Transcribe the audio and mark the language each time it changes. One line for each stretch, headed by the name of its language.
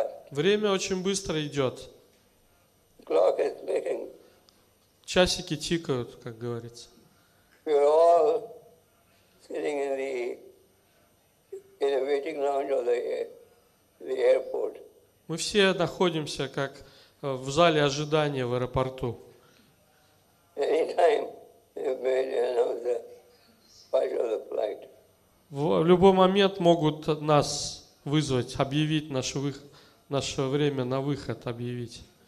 Russian: Время очень быстро идет.
English: Clock is ticking.
Russian: Часики тикают, как говорится.
English: We're all sitting in the waiting lounge of the airport.
Russian: Мы все находимся как в зале ожидания в аэропорту. В любой момент могут нас вызвать, объявить наше время на выход, объявить.